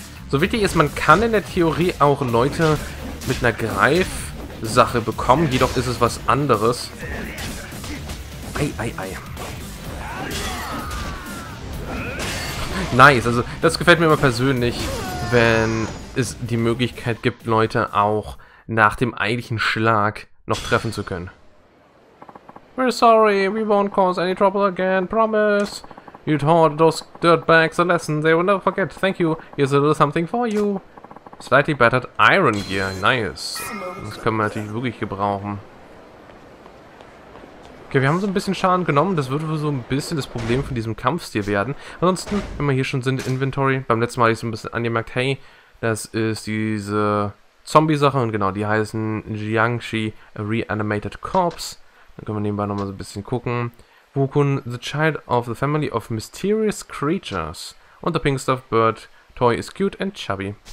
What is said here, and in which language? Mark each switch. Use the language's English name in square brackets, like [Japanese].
[German] So wichtig ist, man kann in der Theorie auch Leute mit einer Greifsache bekommen, jedoch ist es was anderes. Ei, ei, ei. Nice, also das gefällt mir immer persönlich, wenn es die Möglichkeit gibt, Leute auch nach dem eigentlichen Schlag noch treffen zu können. [English] We're sorry, we won't cause any trouble again, promise. You taught those dirtbags a lesson they will never forget. Thank you. Here's a little something for you. Slightly battered iron gear. [German] Nice. Das können wir natürlich wirklich gebrauchen. Okay, wir haben so ein bisschen Schaden genommen. Das würde so ein bisschen das Problem von diesem Kampfstil werden. Ansonsten, wenn wir hier schon sind, Inventory. Beim letzten Mal habe ich so ein bisschen angemerkt, hey, das ist diese Zombie-Sache. Und genau, die heißen Jiangshi Reanimated Corpse. Dann können wir nebenbei nochmal so ein bisschen gucken. [English] Wukun, the child of the family of mysterious creatures. Und the pink stuffed bird toy is cute and chubby.